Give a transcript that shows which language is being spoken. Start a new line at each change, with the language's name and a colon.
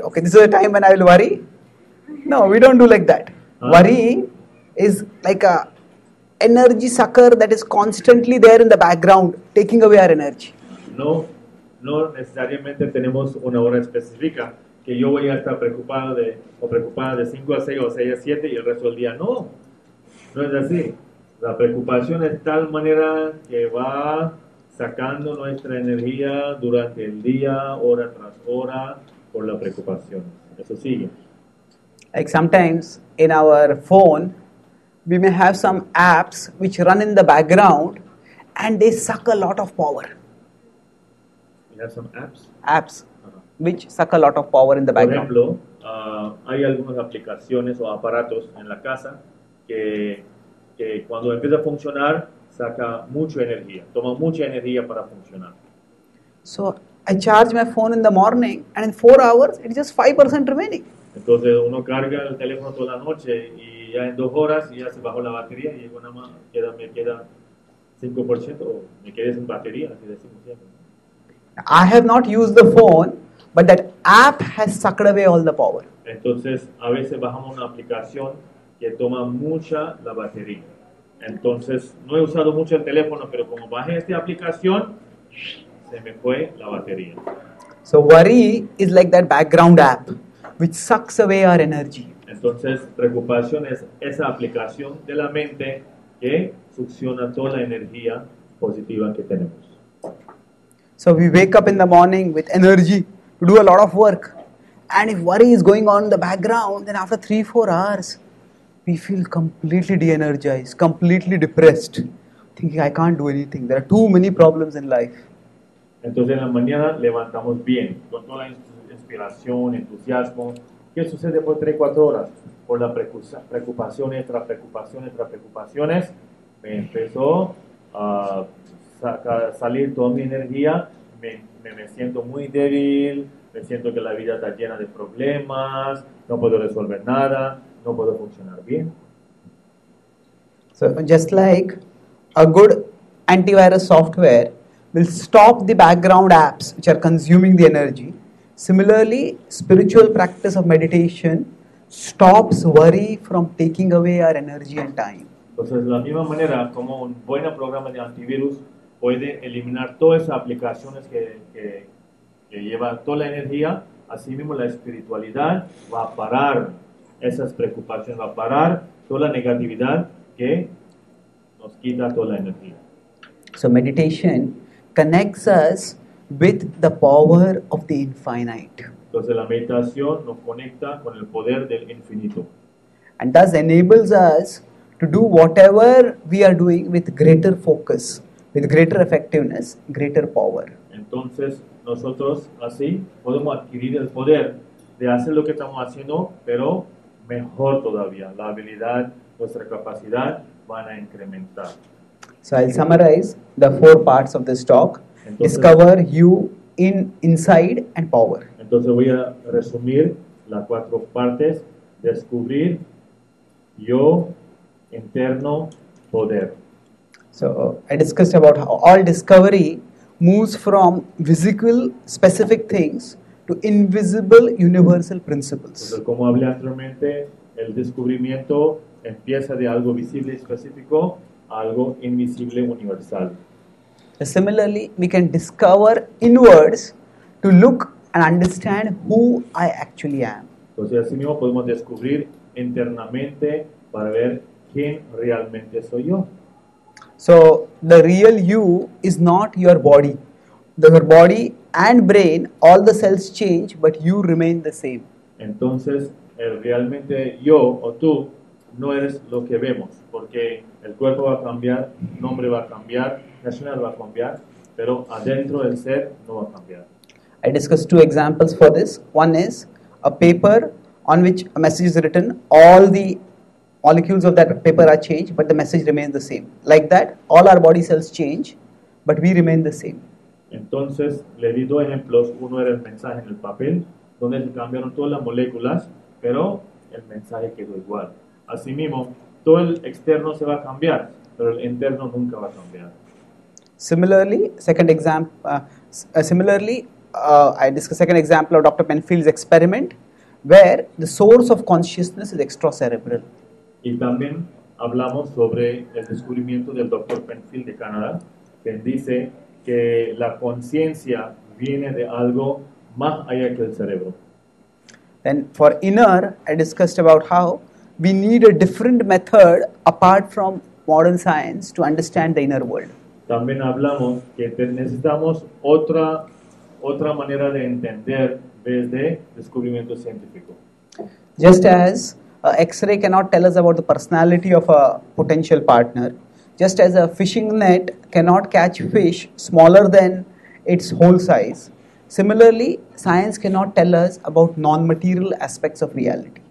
English: Okay, this is the time when I will worry? No, we don't do like that. Ah. Worrying is like a energy sucker that is constantly there in the background, taking away our energy.
Spanish: No, no necesariamente tenemos una hora específica que yo voy a estar preocupado de o preocupada de 5 a 6 o 6 a 7 y el resto del día. No, no es así. La preocupación es tal manera que va sacando nuestra energía durante el día, hora tras hora, por la preocupación. Eso sigue.
English: Like sometimes in our phone, we may have some apps which run in the background and they suck a lot of power. We have some apps? Apps which suck a lot of power in the background.
Spanish: Por ejemplo, hay algunas aplicaciones o aparatos en la casa que cuando empieza a funcionar, saca mucha energía, toma mucha energía para funcionar.
English: So, I charge my phone in the morning and in 4 hours, it's just 5% remaining.
Spanish: Entonces, uno carga el teléfono toda la noche y ya en 2 horas ya se bajó la batería y bueno, me queda 5% o me queda sin batería, así decimos ya.
English: I have not used the phone, but that app has sucked away all the power.
Spanish: Entonces, a veces bajamos una aplicación que toma mucha la batería. Entonces, no he usado mucho el teléfono, pero como bajé esta aplicación, se me fue la batería.
English: So, worry is like that background app which sucks away our energy.
Spanish: Entonces, preocupación es esa aplicación de la mente que succiona toda la energía positiva que tenemos.
English: So we wake up in the morning with energy to do a lot of work. And if worry is going on in the background, then after 3-4 hours, we feel completely de-energized, completely depressed, thinking I can't do anything. There are too many problems in life.
Spanish: Entonces en la mañana levantamos bien, con toda la inspiración, entusiasmo. ¿Qué sucede por 3, 4 horas? Por la preocupación, tras preocupaciones, tras preocupaciones, me empezó a salir toda mi energía, me siento muy débil, me siento que la vida está llena de problemas, no puedo resolver nada, no puedo funcionar bien.
English: So just like a good antivirus software will stop the background apps which are consuming the energy, similarly, spiritual practice of meditation stops worry from taking away our energy and time.
Spanish: Entonces, de la misma manera, como un buen programa de antivirus puede eliminar todas esas aplicaciones que lleva toda la energía, así mismo la espiritualidad va a parar esas preocupaciones, va a parar toda la negatividad que nos quita toda la energía.
English: So meditation connects us with the power of the infinite.
Spanish: Entonces la meditación nos conecta con el poder del infinito.
English: And thus enables us to do whatever we are doing with greater focus, with greater effectiveness, greater power.
Spanish: Entonces nosotros así podemos adquirir el poder de hacer lo que estamos haciendo, pero mejor todavía. La habilidad, nuestra capacidad van a incrementar.
English: So I'll summarize the four parts of this talk. Entonces, discover you in inside and power.
Spanish: Entonces voy a resumir las cuatro partes. Descubrir yo interno poder.
English: So I discussed about how all discovery moves from physical specific things to invisible universal principles.
Spanish: Entonces, como hablé anteriormente, el descubrimiento empieza de algo visible y específico, algo invisible universal.
English: Similarly, we can discover inwards to look and understand who I actually am.
Spanish: Entonces, así mismo podemos descubrir internamente para ver quién realmente soy yo.
English: So, the real you is not your body. Your body and brain, all the cells change, but you remain the same.
Spanish: Entonces, el realmente yo o tú no eres lo que vemos, porque el cuerpo va a cambiar, nombre va a cambiar, nacional va a cambiar, pero adentro del ser no va a cambiar.
English: I discussed two examples for this. One is a paper on which a message is written. All the molecules of that paper are changed, but the message remains the same. Like that, all our body cells change, but we remain the same.
Spanish: Entonces, le di dos ejemplos. Uno era el mensaje en el papel, donde se cambiaron todas las moléculas, pero el mensaje quedó igual. Asimismo, todo el externo se va a cambiar, pero el interno nunca va a cambiar.
English: Similarly, second example. Second example of Dr. Penfield's experiment, where the source of consciousness is extracerebral.
Spanish: Y también hablamos sobre el descubrimiento del Dr. Penfield de Canadá, que dice que la conciencia viene de algo más allá que el cerebro.
English: Then for inner, I discussed about how we need a different method apart from modern science to understand the inner world.
Spanish: También hablamos que necesitamos otra manera de entender desde descubrimiento científico.
English: Just as X-ray cannot tell us about the personality of a potential partner, just as a fishing net cannot catch fish smaller than its whole size, similarly, science cannot tell us about non-material aspects of reality.